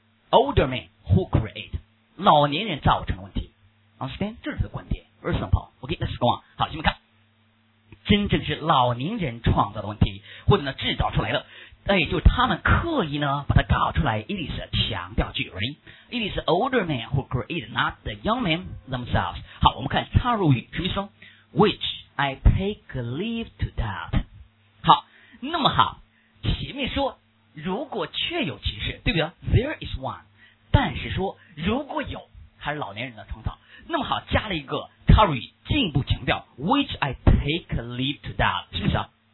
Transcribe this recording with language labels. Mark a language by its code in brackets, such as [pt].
[en] Older men who create, 老年人造成的问题。 Understand? 这是他的观点。 Very simple. Okay, let's go on. 好，下面看。 [zh] 真正是老年人创造的问题，或者呢制造出来的，哎，就是他们刻意呢把它搞出来。 [en] It is a 强调句 ，right? It is older men who create, not the young men themselves. [zh] 好，我们看插入语，什么意思？ [en] Which I take leave to doubt. [zh] 好，那么好，前面说如果确有其事，对不对？ [en] There is one. [zh] 但是说如果有，还是老年人的创造。那么好，加了一个插入语，进一步强调 ， which I take leave to doubt，是不是啊？